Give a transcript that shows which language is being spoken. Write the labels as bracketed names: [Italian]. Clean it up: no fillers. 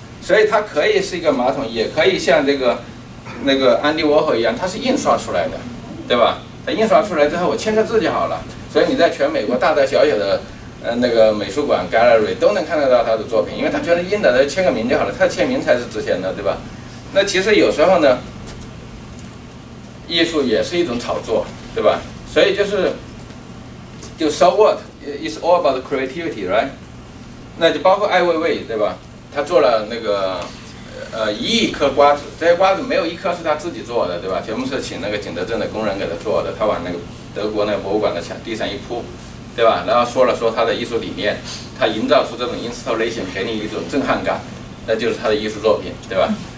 [Chinese] 所以它可以是一个马桶，也可以像那个安迪沃霍一样，它是印刷出来的，对吧？它印刷出来之后，我签个字就好了。所以你在全美国大大小小的那个美术馆 gallery 都能看得到他的作品，因为他觉得印的他签个名就好了，他签名才是值钱的，对吧？那其实有时候呢，艺术也是一种炒作，对吧？所以就是，就 [English] so what is all about creativity, right? [Chinese] 那就包括艾薇薇，对吧？他做了那个一亿颗瓜子，这些瓜子没有一颗是他自己做的，对吧？全部是请那个景德镇的工人给他做的，他往那个德国那个博物馆的墙地上一铺，对吧？然后说了说他的艺术理念，他营造出这种 installation 给你一种震撼感，那就是他的艺术作品，对吧？